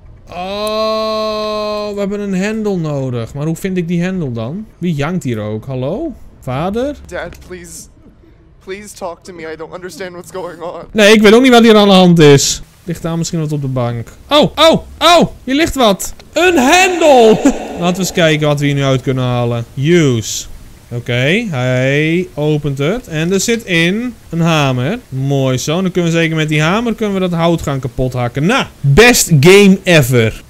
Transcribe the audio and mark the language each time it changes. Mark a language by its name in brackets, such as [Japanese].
[Dutch] Oh, we hebben een hendel nodig. Maar hoe vind ik die hendel dan? Wie jankt hier ook? Hallo? Vader? [English] Dad, please. Please talk to me, I don't understand what's going on. [Dutch] Nee, ik weet ook niet wat hier aan de hand is. Ligt daar misschien wat op de bank? Oh, oh, oh, hier ligt wat. Een hendel! Laten we eens kijken wat we hier nu uit kunnen halen. Use. Oké, hij opent het. En er zit in een hamer. Mooi zo. Dan kunnen we zeker met die hamer kunnen we dat hout gaan kapot hakken. Nou, [English] best game ever.